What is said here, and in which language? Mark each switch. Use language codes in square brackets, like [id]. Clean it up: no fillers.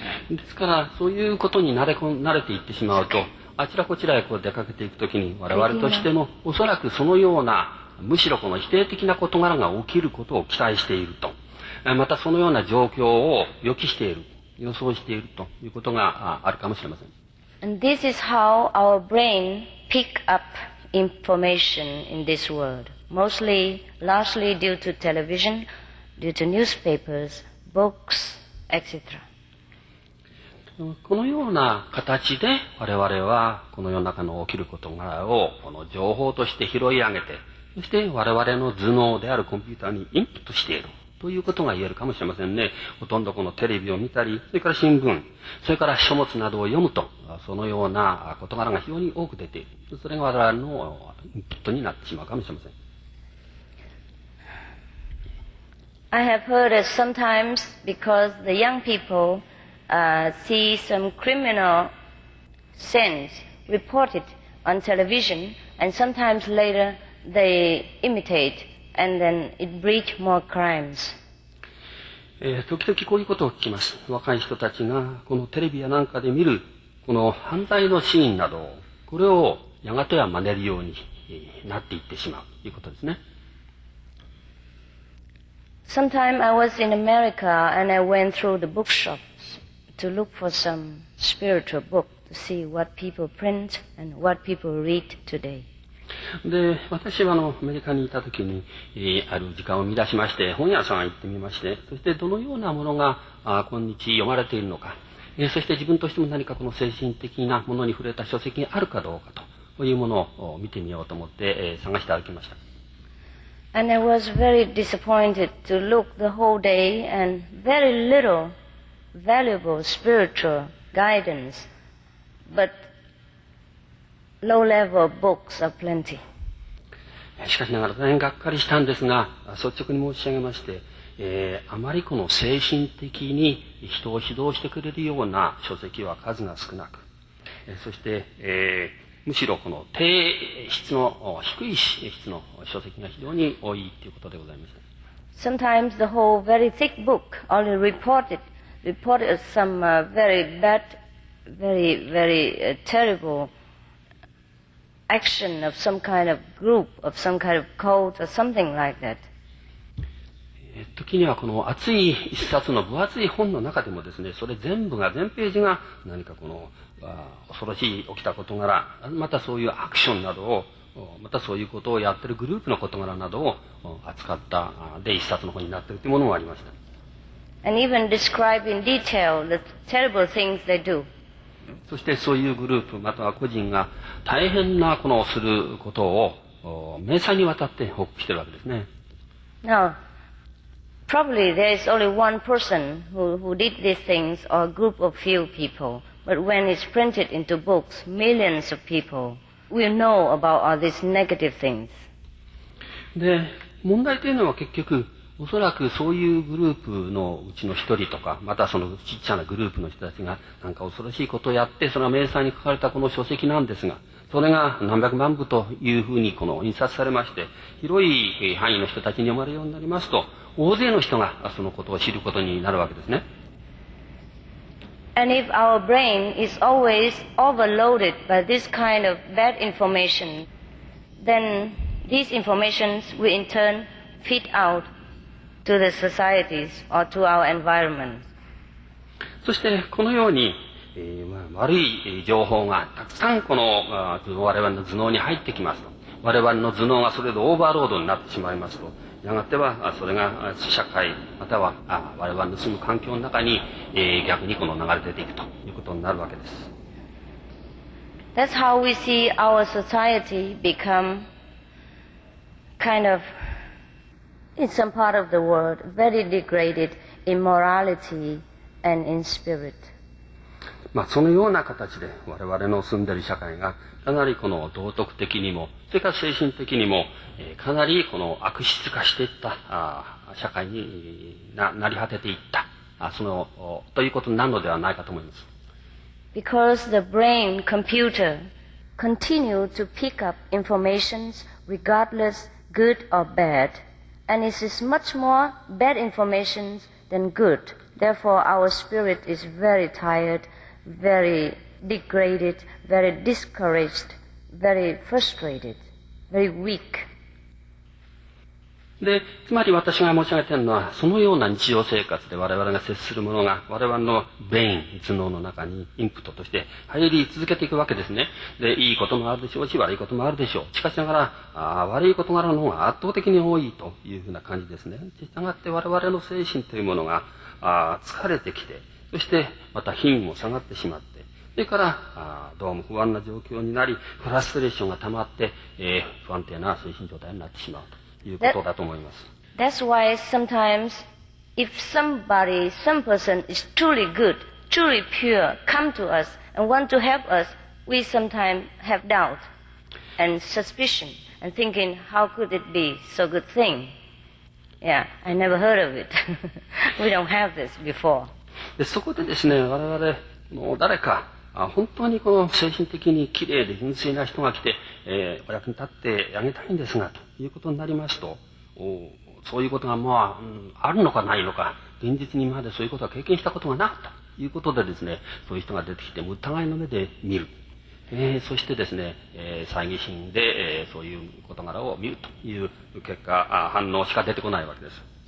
[ja] ですからそういうことに慣れていってしまうと、あちらこちらへこう出かけていくときに我々としてもおそらくそのようなむしろこの否定的な事柄が起きることを期待していると、またそのような状況を予期している予想しているということがあるかもしれません。 [en] And this is how our brain pick up information in this world. Mostly, largely due to television, due to newspapers, books, etc. [ja] このような形で我々はこの世の中の起きることをこの情報として拾い上げて、そして我々の頭脳であるコンピューターにインプットしているということが言えるかもしれませんね。ほとんどこのテレビを見たり、それから新聞、それから書物などを読むと、そのような事柄が非常に多く出ている。それが我々のインプットになってしまうかもしれません。 [en] I have heard that sometimes because the young peopleSee some criminal sins reported on television, and sometimes later they imitate, and then it breeds more crimes. [ja] 時々こういうことを聞きます。若い人たちがこのテレビやなんかで見るこの犯罪のシーンなど、これをやがては真似るようになっていってしまうということですね。 [en] Sometime I was in America and I went through the bookshop. To look for some spiritual book to see what people print and what people read today. [ja] で、私はアメリカにいた時に、ある時間を見出しまして、本屋さんに行ってみまして、そしてどのようなものが今日読まれているのか、そして自分としても何かこの精神的なものに触れた書籍があるかどうかというものを見てみようと思って、探して歩きました。 [en] And I was very disappointed to look the whole day and very little. Valuable spiritual guidance, but low-level books are plenty. [ja] しかしながら大変がっかりしたんですが、率直に申し上げまして、あまりこの精神的に人を指導してくれるような書籍は数が少なく、そして、むしろこの低質の低い質の書籍が非常に多いということでございました。 [en] Sometimes the whole very thick book only reported. Reported some very bad, very, very terrible action of some kind of group, of some kind of cult, or something like that. [ja] 時にはこの厚い一冊の分厚い本の中でもですね、それ全部が全ページが何かこの恐ろしい起きた事柄、またそういうアクションなどを、またそういうことをやってるグループの事柄などを扱ったで一冊の本になっているというものもありました。 [en] And even describe in detail the terrible things they do. [ja] そしてそういうグループまたは個人が大変なこのすることを明細にわたって報告しているわけですね。 [en] Now, probably there is only one person who did these things or a group of few people. But when it's printed into books, millions of people will know about all these negative things. [ja] で、問題というのは結局おそらくそういうグループのうちの一人とか、またそのちっちゃなグループの人たちがなんか恐ろしいことをやって、それが明細に書かれたこの書籍なんですが、それが何百万部というふうにこの印刷されまして、広い範囲の人たちに読まれるようになりますと、大勢の人がそのことを知ることになるわけですね。 [en] And if our brain is always overloaded by this kind of bad information, then these informations will in turn feed outto the societies or to our environment. [ja] そしてこのように、悪い情報がたくさんこの我々の頭脳に入ってきますと、我々の頭脳がそれでオーバーロードになってしまいますと、やがてはそれが社会または我々の住む環境の中に逆にこの流れ出ていくということになるわけです。 [en] That's how we see our society become kind of in some part of the world very degraded in morality and in spirit。 [ja] まあ、そのような形で我々の住んでいる社会がかなりこの道徳的にもそれから精神的にもかなりこの悪質化していった社会に成り果てていった、そのということになるのではないかと思います。 [en] Because the brain computer continue to pick up information regardless good or bad, and it is much more bad information than good. Therefore our spirit is very tiredvery degraded, very discouraged, very frustrated, very weak。 [ja] で、つまり私が申し上げているのは、そのような日常生活で我々が接するものが我々のベイン、頭脳の中にインプットとして入り続けていくわけですね。で、いいこともあるでしょうし、悪いこともあるでしょう。しかしながら、悪いことがあるの方が圧倒的に多いというふうな感じですね。したがって我々の精神というものが疲れてきて、そしてまた品位も下がってしまって、それからどうも不安な状況になり、フラストレーションがたまって、不安定な精神状態になってしまうということだと思います。 [en] That's why sometimes if somebody, some person is truly good, truly pure, come to us and want to help us, we sometimes have doubt and suspicion and thinking how could it be so good thing? Yeah, I never heard of it. We don't have this before. [ja] でそこでですね、我々の誰か本当にこの精神的に綺麗で純粋な人が来て、お役に立ってあげたいんですがということになりますと、そういうことが、まあ、あるのかないのか、現実にまでそういうことは経験したことがないということでですね、そういう人が出てきて疑いの目で見る、そしてですね、猜疑心で、そういう事柄を見るという結果、反応しか出てこないわけです。